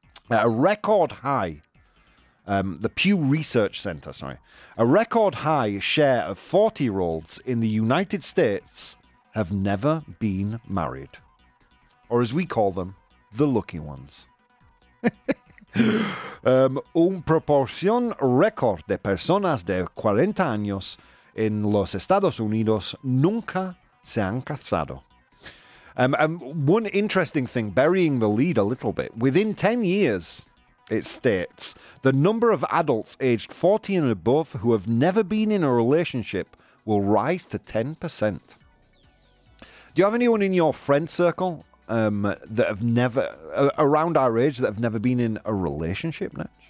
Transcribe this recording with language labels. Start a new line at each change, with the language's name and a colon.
English: A record high, the Pew Research Center, sorry. A record high share of 40-year-olds in the United States have never been married. Or as we call them, the lucky ones.
Spanish: un proporción récord de personas de 40 años en los Estados Unidos nunca se han casado.
English: One interesting thing, burying the lead a little bit. Within 10 years, it states, the number of adults aged 40 and above who have never been in a relationship will rise to 10%. Do you have anyone in your friend circle that have never, around our age, that have never been in a relationship, Nach?